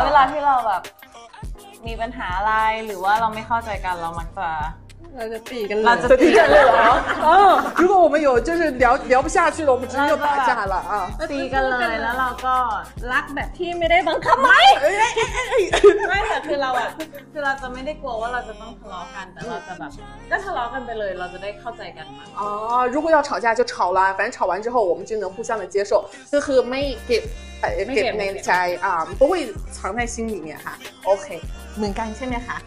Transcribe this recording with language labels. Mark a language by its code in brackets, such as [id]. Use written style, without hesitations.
[th] เวลาที่เราแบบมีปัญหาอะไรหรือว่าเราไม่เข้าใจกันเรามักจะ เราจะตีกันเลย เหรออ๋อ [zh] 如果我们有就是聊不下去了我们直接就打架了啊 [th] ตี กัน เลยแล้วเราก็รักแบบที่ไม่ได้บังคับไหม ไม่ แต่คือเราจะไม่ได้กลัวว่าเราจะต้องทะเลาะกันแต่เราจะแบบก็ทะเลาะกันไปเลยเราจะได้เข้าใจกัน อ๋อ [zh] 如果要吵架就吵了反正吵完之后我们就能互相的接受 [th] ก็คือไม่เก็บในใจอ่า [zh] 不会藏在心里面哈 [th] OK เหมือนกันใช่ไหมคะ